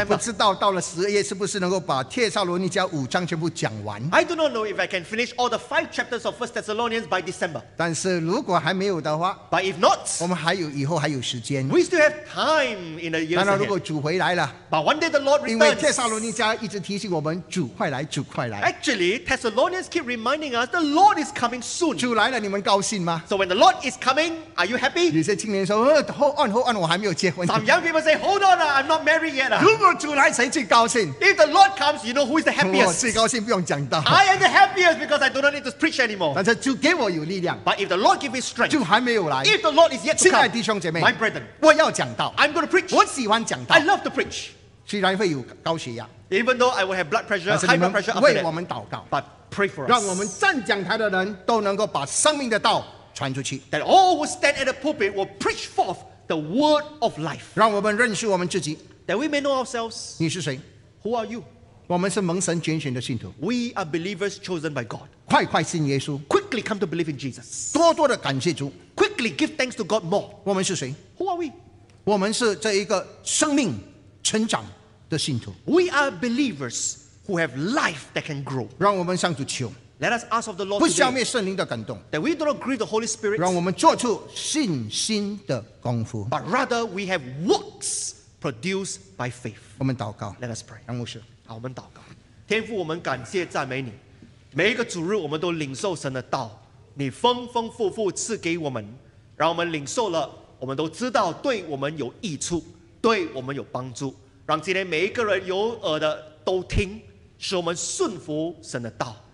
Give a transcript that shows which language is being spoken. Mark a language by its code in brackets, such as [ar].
[zh] 我不知道到了十二月是不是能够把帖撒罗尼迦五章全部讲完 [en] ，I do not know if I can finish all the 5 chapters of 1 Thessalonians by December。 [zh] 但是如果还没有的话 [en] ，But if not， [zh] 我们还有以后还有时间 [en] ，We still have time in the years ahead。 [zh] 当然如果主回来了 [en] ，But one day the Lord returns。 [zh] 因为帖撒罗尼迦一直提醒我们主快来，主快来。 [en] Actually, Thessalonians keep reminding us。 The Lord is coming soon. [zh] 主来了，你们高兴吗 [en] ？So when the Lord is coming, are you happy? [zh] 有些青年说 ， [en] Hold on, [zh] 我还没有结婚。 [en] Some young people say, Hold on, I'm not married yet. [zh] 如果主来，谁最高兴 [en] ？If the Lord comes, you know who is the happiest? [zh] 我最高兴，不用讲道。 [en] I am the happiest because I do not need to preach anymore. [zh] 但是主给我有力量。 [en] But if the Lord gives me strength, [zh] 主还没有来。 [en] If the Lord is yet to come, [zh] 亲爱的弟兄姐妹 [en] ，My brethren, [zh] 我要讲道。 [en] I'm going to preach. [zh] 我喜欢讲道。 [en] I love to preach. [zh] 虽然会有高血压 [en] ，Even though I will have blood pressure, high blood pressure, [zh] 为我们祷告 [en] ，But Pray for us. [zh] 让我们站讲台的人都能够把生命的道传出去。 [en] That all who stand at the pulpit will preach forth the word of life. [zh] 让我们认识我们自己。 [en] That we may know ourselves. [zh] 你是谁 [en] ？Who are you? [zh] 我们是蒙神拣选的信徒。 [en] We are believers chosen by God. [zh] 快快信耶稣。 [en] Quickly come to believe in Jesus. [zh] 多多的感谢主。 [en] Quickly give thanks to God more. [zh] 我们是谁 [en] ？Who are we? [zh] 我们是这一个生命成长的信徒。 [en] We are believers. Who have life that can grow? [zh] 让我们向主求。 [en] Let us ask of the Lord. [zh] 不消灭圣灵的感动。 [en] That we do not grieve the Holy Spirit. [zh] 让我们做出信心的功夫。 [en] But rather we have works produced by faith. [zh] 我们祷告。 [en] Let us pray. [zh] 杨牧师，好，我们祷告。天父，我们感谢赞美你。每一个主日，我们都领受神的道，你丰丰富富赐给我们，让我们领受了，我们都知道对我们有益处，对我们有帮助。让今天每一个人有耳的。都听，使我们顺服神的道，